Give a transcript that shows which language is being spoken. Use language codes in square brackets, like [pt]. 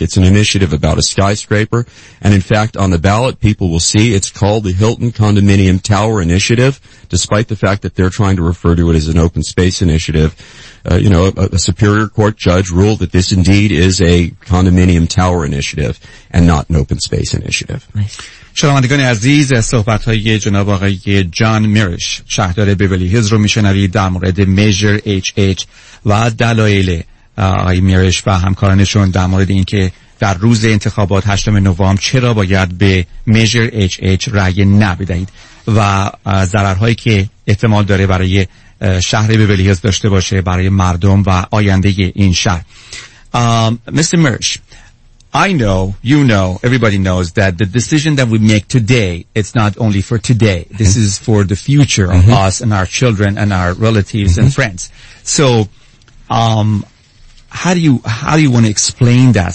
[en] It's an initiative about a skyscraper. And in fact, on the ballot, people will see it's called the Hilton Condominium Tower Initiative, despite the fact that they're trying to refer to it as an open space initiative. A Superior Court judge ruled that this indeed is a condominium tower initiative and not an open space initiative. Nice. [fa] شنوندگان عزیز، صحبت های جناب آقای جان میرش، شهردار بیولی هیلز رو میشنوید در مورد میجر HH و دلایل آقای میرش و همکارانشون در مورد اینکه در روز انتخابات 8 نوامبر چرا باید به میجر HH رأی نبدهید و ضررهایی که احتمال داره برای شهر بیولی هیلز داشته باشه برای مردم و آینده این شهر. [en] Mister میرش، I know, you know, everybody knows that the decision that we make today, it's not only for today. This is for the future of us and our children and our relatives and friends. So, how do you want to explain that?